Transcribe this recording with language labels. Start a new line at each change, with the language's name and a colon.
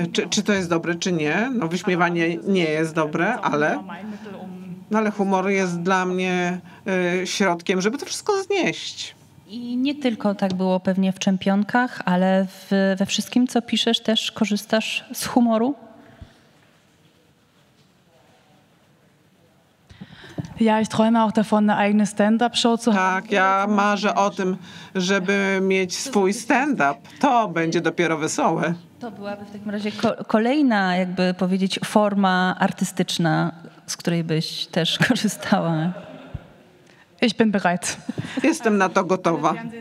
Polish: Czy to jest dobre, czy nie? No, wyśmiewanie nie jest dobre, ale, no, ale humor jest dla mnie środkiem, żeby to wszystko znieść. I nie tylko tak było pewnie w Czempionkach, ale we wszystkim, co piszesz, też korzystasz z humoru?
German: Ja, ich träume auch davon, eine eigene Stand-up-Show zu haben.
Polish: Tak, ja marzę o tym, żeby mieć swój stand-up. To będzie dopiero wesołe. To byłaby w takim razie kolejna, jakby powiedzieć, forma artystyczna, z której byś też korzystała.
German: Ich bin bereit.
Polish: Jestem na to gotowa.